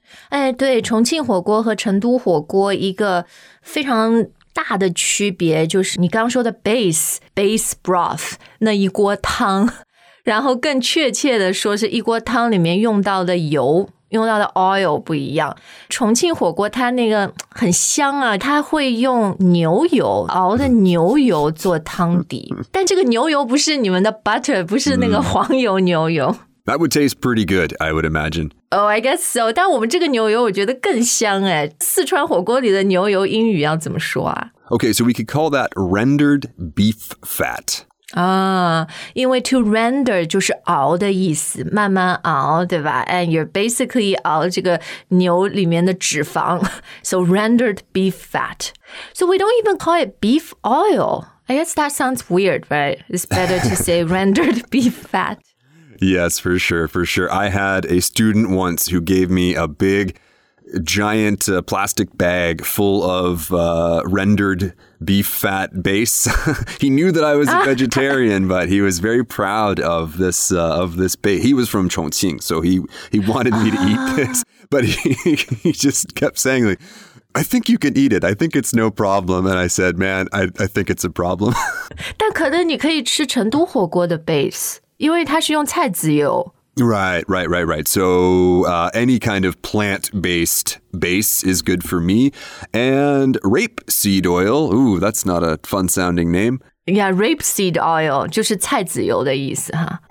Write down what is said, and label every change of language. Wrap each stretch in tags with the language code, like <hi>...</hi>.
<zh>哎，对，重庆火锅和成都火锅一个非常大的区别就是你刚刚说的 base, base broth, 那一锅汤，然后更确切的说是一锅汤里面用到的油。用到的 oil 不一样重庆火锅它那个很香啊它会用牛油熬的牛油做汤底但这个牛油不是你们的 butter 不是那个黄油牛油</zh> <en>That would taste pretty good, I would imagine Oh, I guess so</en> <zh>但我们这个牛油我觉得更香哎四川火锅里的牛油英语要怎么说啊</zh> <en>Okay, so we could call that rendered beef fat</en> <zh>因为</zh> <en>to render</en> <zh>就是熬的意思慢慢熬对吧</zh> <en>And you're basically</en> <zh>熬这个牛里面的脂肪</zh> <en>So rendered beef fat So we don't even call it beef oil I guess that sounds weird, right? It's better to say rendered beef fat Yes, for sure, for sure I had a student once who gave me a big giant plastic bag full of rendered beef fat base. He knew that I was a vegetarian, but he was very proud of this base. He was from Chongqing, so he wanted me to eat this, but he just kept saying, like, I think you can eat it. I think it's no problem. And I said, man, I think it's a problem.</en> <zh>但可能你可以吃成都火锅的 base, 因为它是用菜籽油。</zh> <en>Right, right, right, right. So any kind of plant-based base is good for me. And rapeseed oil. Ooh, that's not a fun-sounding name. Yeah, rapeseed oil.</en> <zh>就是菜籽油的意思哈。</zh>